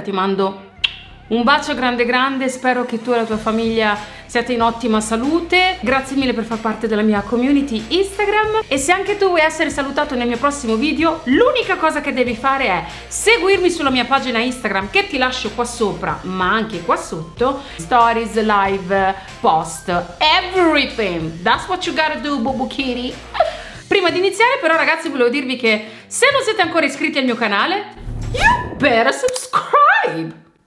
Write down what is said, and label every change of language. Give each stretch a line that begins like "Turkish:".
Italian: Ti mando un bacio grande grande, spero che tu e la tua famiglia siate in ottima salute. Grazie mille per far parte della mia community Instagram. E se anche tu vuoi essere salutato nel mio prossimo video, l'unica cosa che devi fare è seguirmi sulla mia pagina Instagram, che ti lascio qua sopra, ma anche qua sotto.
English: Stories, live, post, everything. That's what you gotta do, Bubu Kitty.
Italian: Prima di iniziare però, ragazzi, volevo dirvi che se non siete ancora iscritti al mio canale,
English: you better subscribe.